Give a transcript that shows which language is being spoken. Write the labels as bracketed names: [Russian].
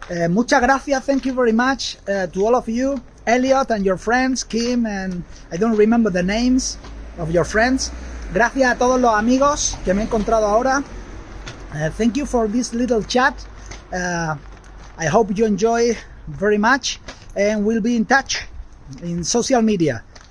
[English] Muchas gracias, thank you very much to all of you. Elliot and your friends, Kim, and I don't remember the names of your friends. [Spanish] Gracias a todos los amigos que me he encontrado ahora. [English] Thank you for this little chat. I hope you enjoy very much, and we'll be in touch in social media.